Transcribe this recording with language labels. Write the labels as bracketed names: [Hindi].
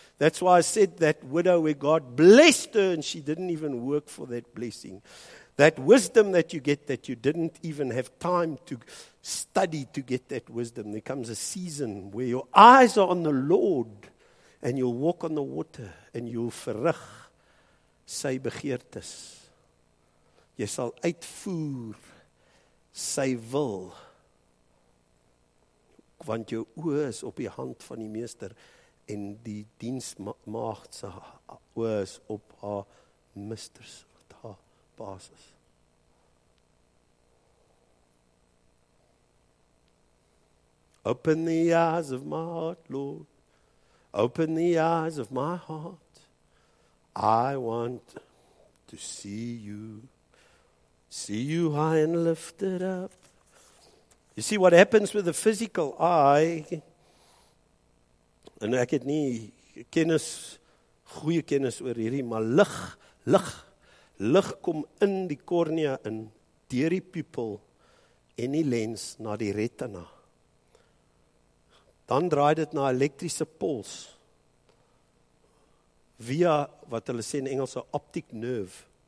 [English] That's why I said that widow where God blessed her and she didn't even work for that blessing. That wisdom that you get that you didn't even have time to study to get that wisdom. There comes a season where your eyes are on the Lord and you'll walk on the water, and you'll [Afrikaans] verrig sy begeertes. Jy sal uitvoer sy wil, want jou oë is op die hand van die meester, en die diensmaagd sy oë is op haar misters, wat haar baas is. [English] Open the eyes of my heart, Lord. Open the eyes of my heart. I want to see you. See you high and lifted up. You see what happens with the physical eye. [Afrikaans] En ek het nie kennis, goeie kennis oor hierdie, maar lig kom in die kornea in, deur die pupil en die lens na die retina. Dan draai dit na elektriese puls via wat hulle sê in Engels 'n optiek nerve.